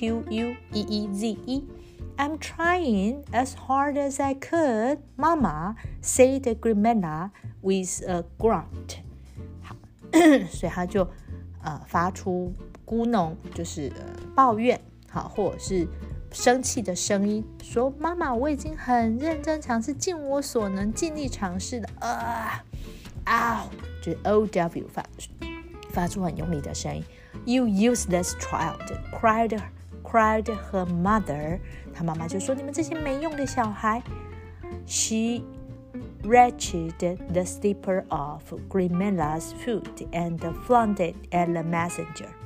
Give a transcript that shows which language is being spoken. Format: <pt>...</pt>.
<en>S-Q-U-E-E-Z-E I'm trying as hard as I could, Mama said Grimella with a grunt.</en> <zh>好，所以他就发出咕哝，就是抱怨，好，或者是生气的声音说，妈妈，我已经很认真尝试，尽我所能，尽力尝试了，就是 O-W 发出很用力的声音。</zh> <en>You useless child, cried her mother.</en> <zh>她妈妈就说，你们这些没用的小孩。</zh> <en>She wrenched the slipper off Grimella's foot and flung it at the messenger.</en>